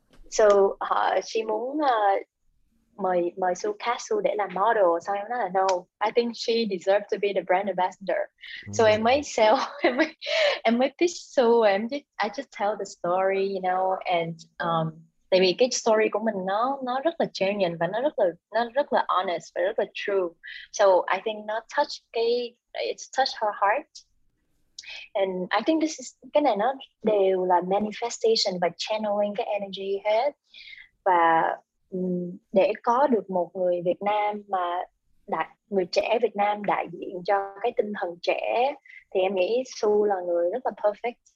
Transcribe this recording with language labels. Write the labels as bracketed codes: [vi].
[en] So she [vi] muốn mời mời [en] Su Katsu để làm model, [vi] sau em nói là [en] no, I think she deserves to be the brand ambassador. [vi] So em mới sell, em mới pitch Su, [en] I just tell the story, [vi] and tại vì cái story của mình nó rất là genuine và nó rất là honest và rất là true. [en] So I think nó touch cái it's touch her heart. And I think this is [vi] cái này nó đều là manifestation và channeling cái energy hết. Và để có được một người Việt Nam mà người trẻ Việt Nam đại diện cho cái tinh thần trẻ thì em nghĩ Su là người rất là perfect.